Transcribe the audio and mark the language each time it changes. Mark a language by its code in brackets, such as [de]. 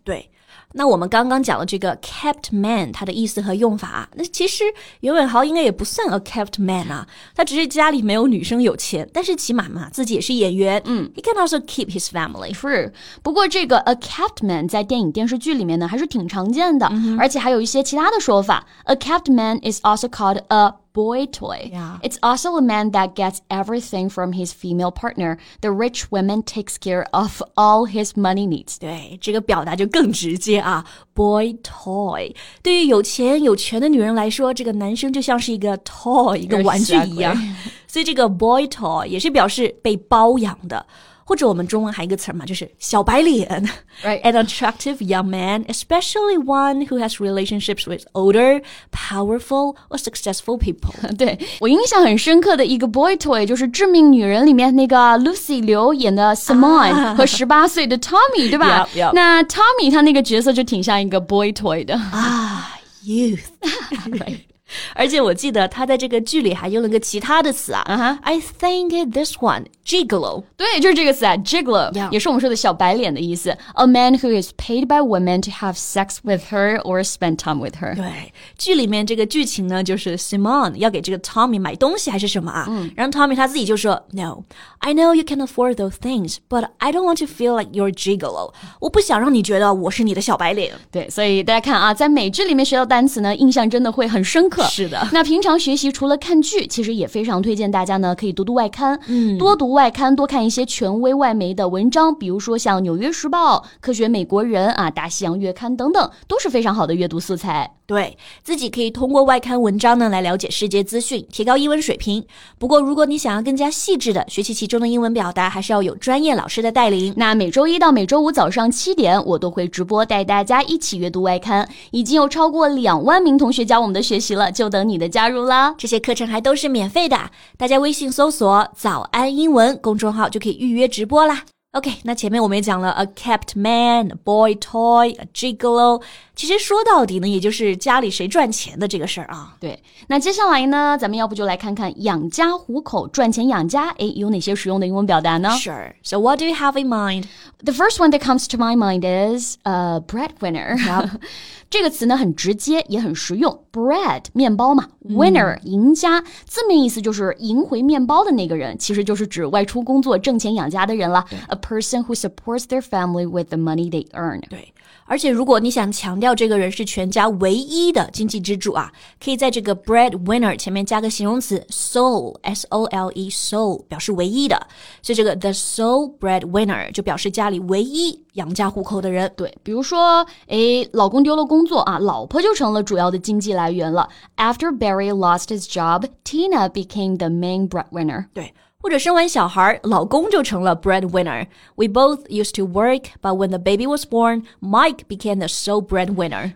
[zh] 对，那我们刚刚讲了这个 kept man 他的意思和用法，那其实袁伟豪应该也不算 a kept man 啊，他只是家里没有女生有钱，但是起码嘛自己也是演员，嗯， [en] he can also keep his family。 [zh] True, 不过这个 a kept man 在电影电视剧里面呢还是挺常见的、嗯、而且还有一些其他的说法。 [en] A kept man is also called aboy toy. Yeah. It's also a man that gets everything from his female partner. The rich woman takes care of all his money needs. [zh] 对，这个表达就更直接啊。 [en] Boy toy. [zh] 对于有钱有权的女人来说，这个男生就像是一个 toy, 一个玩具一样。 [en] Exactly. [zh] 所以这个 boy toy 也是表示被包养的。或者我们中文还有一个词嘛，就是小白脸、 [en] right. An attractive young man, especially one who has relationships with older, powerful, or successful people. [zh] 对，我印象很深刻的一个 boy toy 就是致命女人里面那个 Lucy Liu 演的 Simone、 ah. 和18岁的 Tommy, 对吧 [en] yep, yep. [zh] 那 Tommy 他那个角色就挺像一个 boy toy 的 [en] Ah, youth 、 right. [zh] 而且我记得他在这个剧里还用了个其他的词啊、 uh-huh. [en] I think it this one, gigolo. [zh] 对，就是这个词啊 gigolo、 [en] yeah. [zh] 也是我们说的小白脸的意思。 [en] A man who is paid by women to have sex with her or spend time with her. [zh] 对，剧里面这个剧情呢就是 Simone 要给这个 Tommy 买东西还是什么啊、嗯、然后 Tommy 他自己就说 [en] No, I know you can afford those things, but I don't want to feel like you're gigolo. [zh] 我不想让你觉得我是你的小白脸。对，所以大家看啊，在美剧里面学到单词呢印象真的会很深刻。课。是的。那平常学习除了看剧，其实也非常推荐大家呢可以读读外刊，嗯，多读外刊，多看一些权威外媒的文章，比如说像纽约时报、科学美国人啊、大西洋月刊等等，都是非常好的阅读素材。对，自己可以通过外刊文章呢来了解世界资讯，提高英文水平。不过如果你想要更加细致的学习其中的英文表达，还是要有专业老师的带领。那每周一到每周五早上7点，我都会直播带大家一起阅读外刊，已经有超过20000名同学教我们的学习了，就等你的加入啦。这些课程还都是免费的，大家微信搜索早安英文公众号就可以预约直播啦。 OK, 那前面我们也讲了 a kept man, a boy toy, a gigolo, 其实说到底呢也就是家里谁赚钱的这个事儿啊。对。那接下来呢咱们要不就来看看养家糊口赚钱养家，诶，有哪些实用的英文表达呢？ [en] Sure. So what do you have in mind? The first one that comes to my mind is a breadwinner. Yep. [zh] 这个词呢很直接也很实用。 Bread, 面包嘛。Winner,、嗯、赢家。字面意思就是赢回面包的那个人，其实就是指外出工作挣钱养家的人了。 [en] A person who supports their family with the money they earn. [zh] 对，而且如果你想强调这个人是全家唯一的经济支柱啊，可以在这个 breadwinner 前面加个形容词 sole, S-O-L-E, sole, 表示唯一的。所以这个 the sole breadwinner 就表示家里唯一养家糊口的人。对，比如说，诶，老公丢了工作啊，老婆就成了主要的经济来源了。 [en] After Barry lost his job, Tina became the main breadwinner. [zh] 对。或者生完小孩老公就成了 breadwinner. [en] We both used to work, but when the baby was born, Mike became the sole breadwinner.